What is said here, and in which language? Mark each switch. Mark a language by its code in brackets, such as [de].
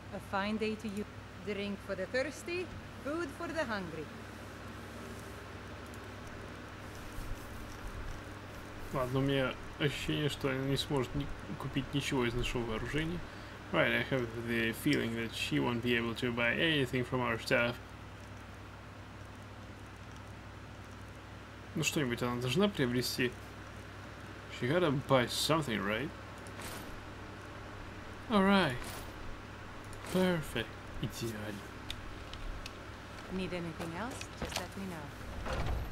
[en] Fine day to you. Drink for the thirsty, food for the hungry. [ru] Ладно, у меня ощущение, что она не сможет купить ничего из нашего вооружения. [en] Right, I have the feeling that she won't be able to buy anything from our stuff. [ru] Ну что-нибудь она должна приобрести. [en] She gotta buy something, right? All right. Perfect. [ru] Идеально. [en] Need anything else? Just let me know.